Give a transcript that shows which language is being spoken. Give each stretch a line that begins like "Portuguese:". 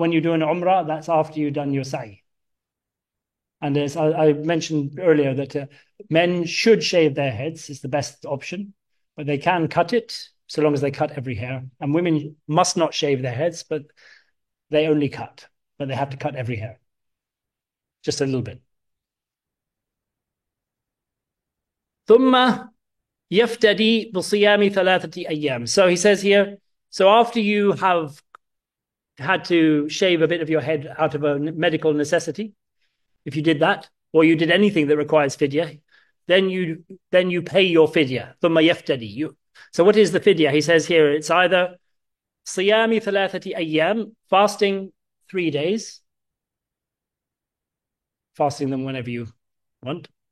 English: When you're doing Umrah, that's after you've done your Sa'i. And as I mentioned earlier, that men should shave their heads is the best option, but they can cut it so long as they cut every hair. And women must not shave their heads, but they only cut, but they have to cut every hair, just a little bit.
Arabic: ثم يفتدي بصيام ثلاثة أيام.
English: So he says here, so after you have had to shave a bit of your head out of a medical necessity, if you did that, or you did anything that requires fidya, then you pay your fidya.
Arabic: ثم يفتدي.
English: So what is the fidya? He says here, it's either
Arabic: صيام ثلاثة أيام,
English: fasting 3 days, fasting them whenever you want.